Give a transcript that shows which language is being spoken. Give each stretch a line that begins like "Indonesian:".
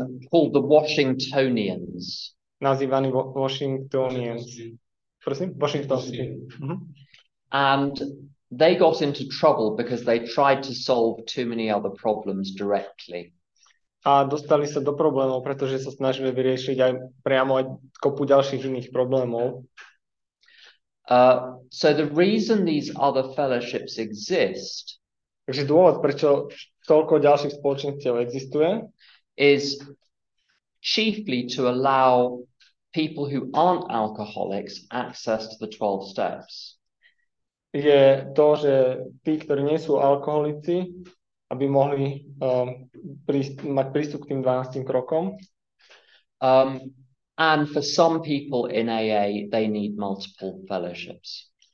English: Called the Washingtonians.
Slovak: Nazývaní Washingtonians. Prosím, Washingtonians.
English: And they got into trouble because they tried to solve too many other problems directly.
Slovak: A dostali sa do problémov, pretože sa snažili vyriešiť aj priamo aj kopu ďalších iných problémov.
English: So the reason these other fellowships exist,
Slovak: takže dôvod, prečo toľko ďalších spoločenstiev existuje,
English: is chiefly to allow people who aren't alcoholics access to the 12 steps.
Slovak: Je to, že tí, ktorí nie sú alkoholici, aby mohli mať prístup k tým 12 krokom.
English: And for some people in AA, they need multiple fellowships.